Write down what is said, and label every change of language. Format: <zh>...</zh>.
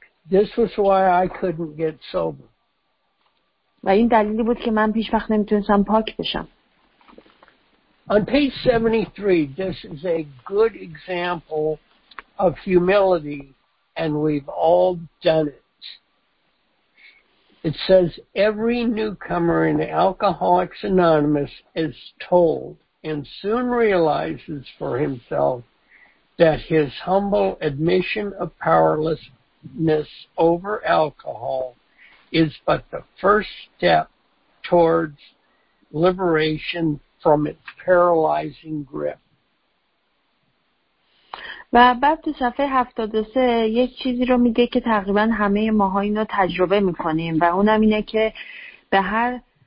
<en>This was why I couldn't get sober.</en> <fa>و این دلیلی بود که من پیش وقت نمیتونستم پاک بشم.</fa> <en>On page 73, this is a good example of humility, and we've all done it. It says, every newcomer in Alcoholics Anonymous is told and soon realizes for himself that his humble admission of powerlessness over alcohol is but the first step towards liberation from its paralyzing grip.</en> <fa>و بعد تو صفحه 73 یک چیزی رو میگه که تقریبا همه ماها اینو تجربه میکنیم و اونم اینه که به هر</fa>